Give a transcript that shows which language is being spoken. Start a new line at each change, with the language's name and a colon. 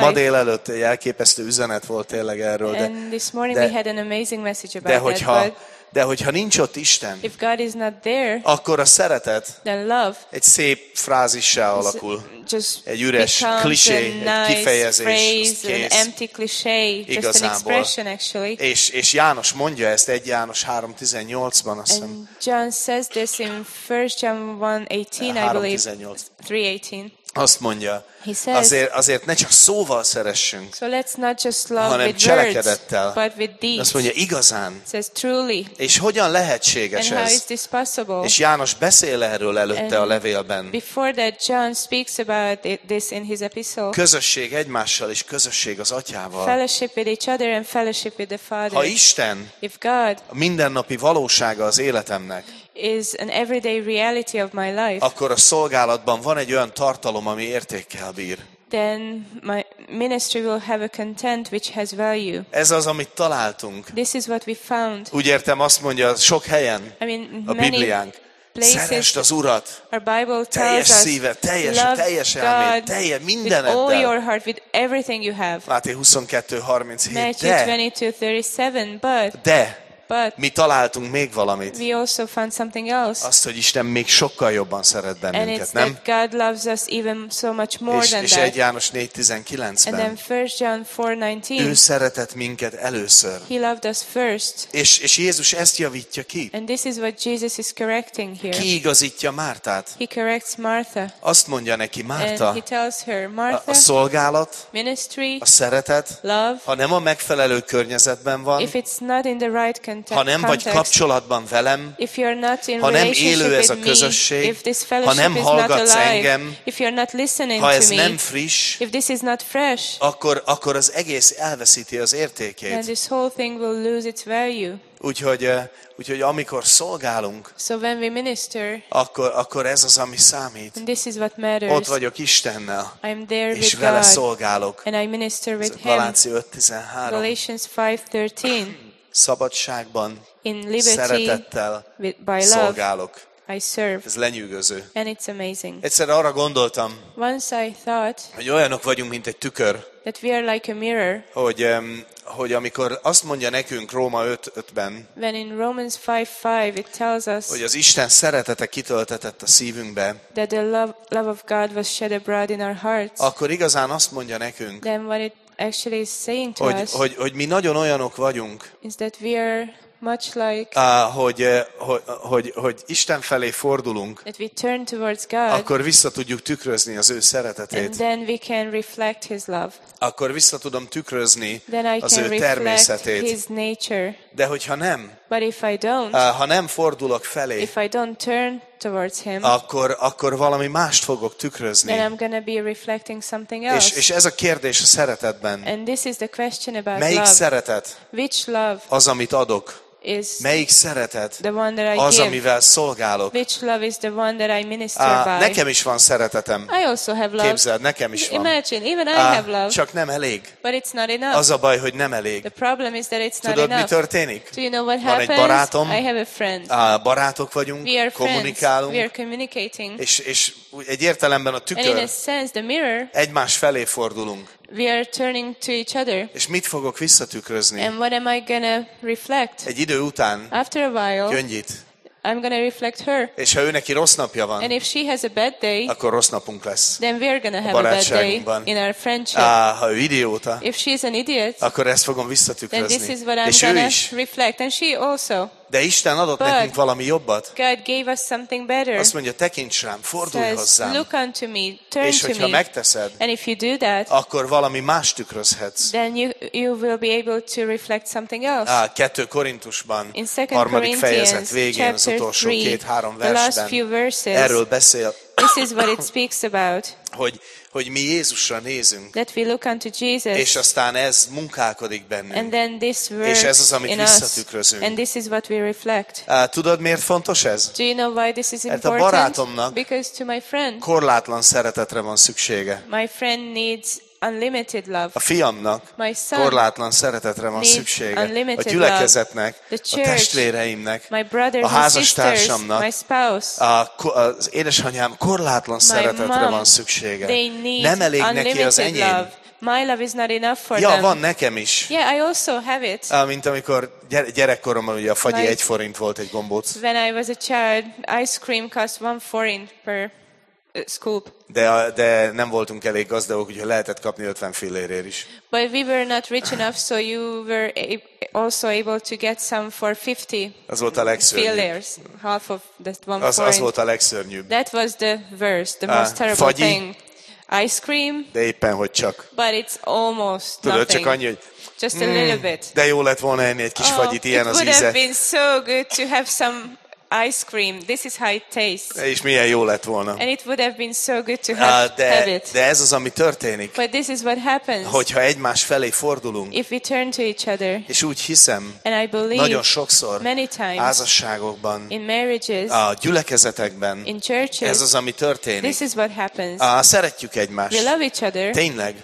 Hungarian: ma délelőtt egy elképesztő üzenet volt tényleg erről,
English: and this morning we had an amazing message about that.
Hungarian: De hogyha nincs ott Isten,
English: if God is not there,
Hungarian: akkor a szeretet
English: then love
Hungarian: egy szép frázissá alakul.
English: Just
Hungarian: egy üres klisé, egy
English: nice
Hungarian: kifejezés,
English: phrase,
Hungarian: kész.
English: An empty cliché, just an expression actually.
Hungarian: És János mondja ezt 1 János 3:18-ban, azt hiszem.
English: John says this in 1 John 1:18, I believe. 3:18.
Hungarian: Azt mondja,
English: says,
Hungarian: azért ne csak szóval szeressünk,
English: so let's not just love
Hungarian: hanem
English: with
Hungarian: cselekedettel.
English: Words, but with deeds.
Hungarian: Azt mondja, igazán.
English: Says, truly.
Hungarian: És hogyan lehetséges
English: and
Hungarian: ez?
English: How is this possible?
Hungarian: És János beszél erről előtte
English: and
Hungarian: a levélben.
English: Before that John speaks about it, this in his epistle.
Hungarian: Közösség egymással és közösség az Atyával.
English: Fellowship with each other and fellowship with the Father.
Hungarian: Ha Isten
English: if God
Hungarian: a mindennapi valósága az életemnek,
English: is an everyday reality of my life.
Hungarian: Akkor a szolgálatban van egy olyan tartalom, ami értékkel bír.
English: Then my ministry will have a content which has value.
Hungarian: Ez az, amit találtunk.
English: This is what we found.
Hungarian: Úgy értem, azt mondja sok helyen
English: I mean,
Hungarian: a Bibliánk. Szeresd az Urat.
English: Our Bible tells
Hungarian: teljes szíve, teljes elmény, teljes mindeneddel.
English: With all your heart, with everything you have.
Hungarian: Máté 22:37.
English: Matthew 22:37, but
Hungarian: de
English: but
Hungarian: mi találtunk még valamit.
English: We also found something else.
Hungarian: Azt, hogy Isten még sokkal jobban szeret bennünket, nem?
English: And God loves us even so much more than that.
Hungarian: És 1 János 4:19-ben.
English: And then 1 John 4:19.
Hungarian: Ő szeretett minket először.
English: He loved us first.
Hungarian: És Jézus ezt javítja ki.
English: And this is what Jesus is correcting here.
Hungarian: Kiigazítja Mártát.
English: He corrects Martha.
Hungarian: Azt mondja neki, Márta.
English: And he tells her, Martha.
Hungarian: A szolgálat,
English: ministry,
Hungarian: a szeretet,
English: love,
Hungarian: ha nem a megfelelő környezetben van,
English: if it's not in the right context,
Hungarian: ha nem vagy kapcsolatban velem,
English: if you're not in,
Hungarian: ha nem élő ez a közösség,
English: me, if this fellowship
Hungarian: ha nem
English: is
Hungarian: hallgatsz
English: not alive,
Hungarian: engem,
English: if you're not listening,
Hungarian: ha ez
English: to me,
Hungarian: nem friss,
English: if this is not fresh,
Hungarian: akkor az egész elveszíti az értékét.
English: Then this whole thing will lose its value.
Hungarian: Úgyhogy amikor szolgálunk,
English: so when we minister,
Hungarian: akkor ez az, ami számít.
English: And this is what matters.
Hungarian: Ott vagyok Istennel,
English: I'm there
Hungarian: és
English: with
Hungarian: vele
English: God,
Hungarian: szolgálok.
English: And I minister with him.
Hungarian: Galáci 5:13.
English: Galatians 5:13.
Hungarian: Szabadságban,
English: in liberty,
Hungarian: szeretettel
English: with, by love,
Hungarian: szolgálok.
English: I serve.
Hungarian: Ez lenyűgöző.
English: And it's amazing.
Hungarian: Egyszer arra gondoltam,
English: once I thought,
Hungarian: hogy olyanok vagyunk, mint egy tükör,
English: that we are like a mirror,
Hungarian: hogy amikor azt mondja nekünk Róma 5:5-ben,
English: when in Romans 5:5 it tells us,
Hungarian: hogy az Isten szeretete kitöltetett a szívünkbe,
English: that the love of God was shed abroad in our hearts,
Hungarian: akkor igazán azt mondja nekünk,
English: then what it actually is saying to
Hungarian: hogy,
English: us,
Hungarian: hogy mi nagyon olyanok vagyunk,
English: is that we are much like,
Hungarian: hogy Isten felé fordulunk,
English: that we turn towards God,
Hungarian: akkor vissza tudjuk tükrözni az ő szeretetét.
English: And then we can reflect his love.
Hungarian: Akkor vissza tudom tükrözni
English: then I
Hungarian: az
English: can
Hungarian: ő természetét.
English: His nature.
Hungarian: De hogyha nem,
English: but if I don't,
Hungarian: ha nem fordulok felé,
English: if I don't turn towards him,
Hungarian: akkor valami mást fogok tükrözni.
English: Then I'm gonna be reflecting something else.
Hungarian: És ez a kérdés a szeretetben.
English: And this is the question about
Hungarian: melyik
English: love.
Hungarian: Szeretet,
English: which love,
Hungarian: az, amit adok,
English: is
Hungarian: melyik szeretet,
English: the one that I
Hungarian: az,
English: give,
Hungarian: amivel szolgálok.
English: Which love is the one that I minister by.
Hungarian: Nekem is van szeretetem.
English: I also have love.
Hungarian: Képzeld, nekem is
English: imagine,
Hungarian: van.
English: Imagine, even I have love.
Hungarian: Csak nem elég.
English: But it's not enough.
Hungarian: Az a baj, hogy nem elég.
English: The problem is that it's not
Hungarian: tudod,
English: enough.
Hungarian: Mi történik?
English: Do you know what
Hungarian: van
English: happens?
Hungarian: Egy barátom.
English: I have a friend.
Hungarian: Barátok vagyunk.
English: We are
Hungarian: kommunikálunk.
English: Friends. We are communicating.
Hungarian: És egy értelemben a tükör.
English: And in a sense, the mirror,
Hungarian: egymás felé fordulunk.
English: We are turning to each other.
Hungarian: És mit fogok visszatükrözni?
English: And what am I gonna reflect?
Hungarian: Egy idő után.
English: After a while.
Hungarian: Gyöngyit.
English: I'm gonna reflect her.
Hungarian: És ha ő neki rossz napja van.
English: And if she has a bad day.
Hungarian: Akkor rossz napunk lesz.
English: Then we are gonna have a bad day in our friendship.
Hungarian: Ha ő idióta.
English: If she is an idiot.
Hungarian: Akkor ezt fogom visszatükrözni.
English: Then this is what I'm gonna reflect, and she also.
Hungarian: De Isten adott
English: but
Hungarian: nekünk valami jobbat.
English: God gave us something better.
Hungarian: Azt mondja, tekints rám, fordulj
English: says,
Hungarian: hozzám.
English: Look unto me, turn
Hungarian: és hogyha
English: to
Hungarian: megteszed,
English: and if you do that,
Hungarian: akkor valami más tükrözhetsz.
English: Then you will be able to reflect something else.
Hungarian: 2 Korintusban,
English: in 2
Hungarian: fejezet végén, az utolsó 2-3 versben erről beszél.
English: This is what it speaks about.
Hungarian: Hogy mi Jézusra nézünk.
English: That we look unto Jesus.
Hungarian: És aztán ez munkálkodik bennünk.
English: And then this works.
Hungarian: És ez az, amit visszatükrözünk.
English: And this is what we reflect.
Hungarian: Tudod, miért fontos ez?
English: Do you know why this is important?
Hungarian: Hát a barátomnak,
English: because to my friend,
Hungarian: korlátlan szeretetre van szüksége.
English: My friend needs unlimited love.
Hungarian: A fiamnak,
English: my son,
Hungarian: korlátlan szeretetre van szüksége. A gyülekezetnek,
English: the church,
Hungarian: a testvéreimnek,
English: my brother,
Hungarian: a házastársamnak,
English: my spouse,
Hungarian: az édesanyám korlátlan szeretetre
English: mom,
Hungarian: van szüksége.
English: They need
Hungarian: nem elég neki az enyém.
English: Love. My love is not enough for ja, them.
Hungarian: Van nekem is.
English: Yeah, I also have it.
Hungarian: Mint amikor gyerekkoromban ugye a fagyi egy forint volt egy gombóc.
English: When I was a child, ice cream cost 1 forint per scoop.
Hungarian: De nem voltunk elég gazdagok, úgyhogy lehetett kapni 50 fillérért is.
English: But we were not rich enough, so you were also able to get some for 50.
Hungarian: Az volt a legszörnyűbb.
English: Fillers, half of that 1 forint.
Hungarian: Az volt a legszörnyűbb.
English: That was the worst, the most terrible
Hungarian: fagyi
English: thing. Ice cream.
Hungarian: De éppen, hogy csak.
English: But it's almost
Hungarian: tudod,
English: nothing.
Hungarian: Csak annyi, hogy,
English: just a little bit.
Hungarian: De jó lett volna enni egy kis fagyit, ilyen az íze.
English: It would have been so good to have some ice cream. This is how it tastes.
Hungarian: És milyen jó lett volna.
English: And it would have been so good to have it.
Hungarian: De ez az, ami történik.
English: But this is what happens.
Hungarian: Hogyha egymás felé fordulunk.
English: If we turn to each other.
Hungarian: És úgy hiszem.
English: And I believe.
Hungarian: Nagyon sokszor.
English: Many times.
Hungarian: Házasságokban.
English: In marriages.
Hungarian: A gyülekezetekben.
English: In churches.
Hungarian: Ez az, ami történik.
English: This is what happens.
Hungarian: Szeretjük egymást.
English: We love each other.
Hungarian: Tényleg.